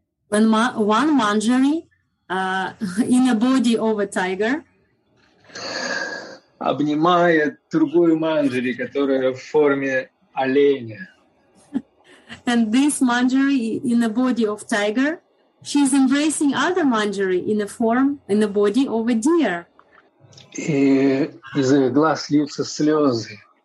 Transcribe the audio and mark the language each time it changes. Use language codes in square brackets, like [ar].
[en] When one manjari in a body of a tiger [ru] обнимает другую манджари, которая в форме оленя. [en] And this manjari in a body of tiger, she's embracing other manjari in a form in the body of a deer. [ru] И из ее глаз льются слезы.